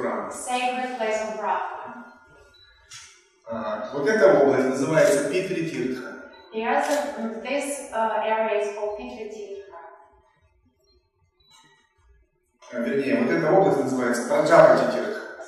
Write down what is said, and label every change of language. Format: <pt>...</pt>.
<en>Sacred place of Брахма.</en> <ru>Вот эта область называется Питритиртха.</ru> <en>This area is called Питритиртха.</en> <ru>Вернее, вот эта область называется Праджапати-тирха.</ru>